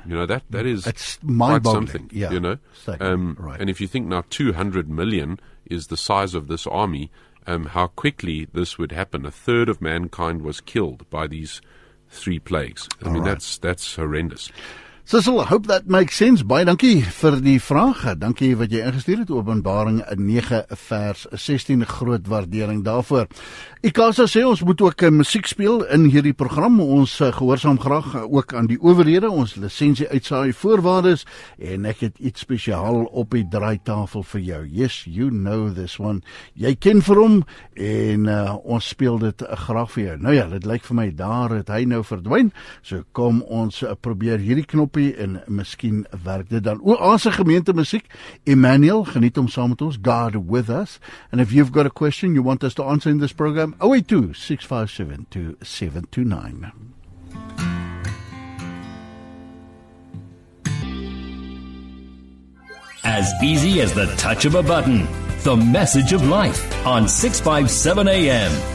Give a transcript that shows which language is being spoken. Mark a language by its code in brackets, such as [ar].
[en] You know, that is mind-boggling. Something. Yeah. You know? And if you think now 200 million is the size of this army, how quickly this would happen. A third of mankind was killed by these three plagues. I mean, that's horrendous. Sissel, I hope that makes sense. [af] Baie dankie vir die vraag. Dankie wat jy ingestuur het, Openbaring 9 vers 16. Groot waardering daarvoor. Ikasa sê, ons moet ook muziek speel in hierdie program. Ons gehoorsaam graag ook aan die owerhede, ons lisensie uitsaai voorwaardes, en ek het iets spesiaal op die draaitafel vir jou. [en] Yes, you know this one. [af] Jy ken vir hom, en ons speel dit graag vir jou. Nou ja, dit lyk vir my, daar het hy nou verdwyn, so kom ons probeer hierdie knop en miskien werk dit dan. Oase gemeente muziek, Emmanuel, geniet om saam met ons, [en] God with us. And if you've got a question you want us to answer in this program, 082-657-2729. As easy as the touch of a button, the message of life on 657 AM.